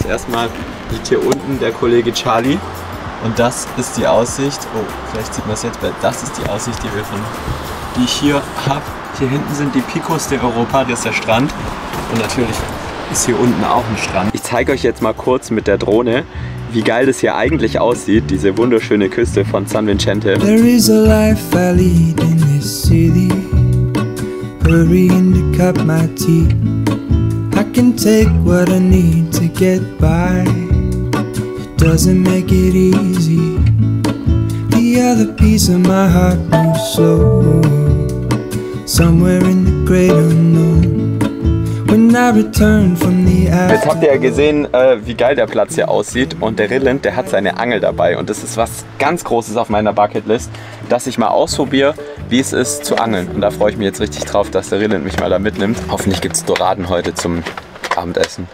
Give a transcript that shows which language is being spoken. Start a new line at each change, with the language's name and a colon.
German: Erstmal liegt hier unten der Kollege Charlie. Und das ist die Aussicht, oh, vielleicht sieht man es jetzt, weil das ist die Aussicht, die wir von, die ich hier habe. Hier hinten sind die Picos de Europa, das ist der Strand. Und natürlich ist hier unten auch ein Strand. Ich zeige euch jetzt mal kurz mit der Drohne, wie geil das hier eigentlich aussieht, diese wunderschöne Küste von San Vicente.
English: There is a life I lead in this city. Hurry and cup my tea. I can take what I need to get by. Doesn't make it easy. The other piece of my heart moves slow. Somewhere in the great unknown. When I return from the afterlife.
German: Jetzt habt ihr ja gesehen, wie geil der Platz hier aussieht. Und der Rilland, der hat seine Angel dabei. Und das ist was ganz Großes auf meiner Bucketlist, dass ich mal ausprobiere, wie es ist zu angeln. Und da freue ich mich jetzt richtig drauf, dass der Rilland mich mal da mitnimmt. Hoffentlich gibt es Doraden heute zum Abendessen.